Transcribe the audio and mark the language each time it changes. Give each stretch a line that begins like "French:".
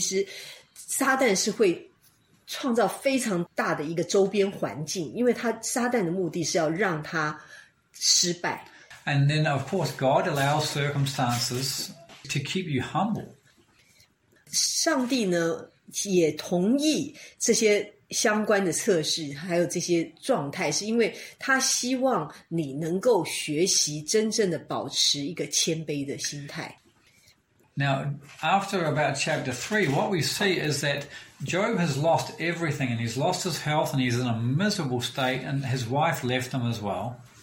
Chinese: 为什么是这样子呢？因为当约伯像他这样的人，他经历了那么多测试之后，在这个过程中间，其实撒旦是会 创造非常大的一个周边环境，因为他撒旦的目的是要让他失败。
English: And then, of course, God allows circumstances to keep you humble.
Chinese: 上帝呢，也同意这些相关的测试，还有这些状态，是因为他希望你能够学习真正的保持一个谦卑的心态。
English: Now, after about chapter 3, what we see is that Job has lost everything, and he's lost his health, and he's in a miserable state, and his wife left him as well.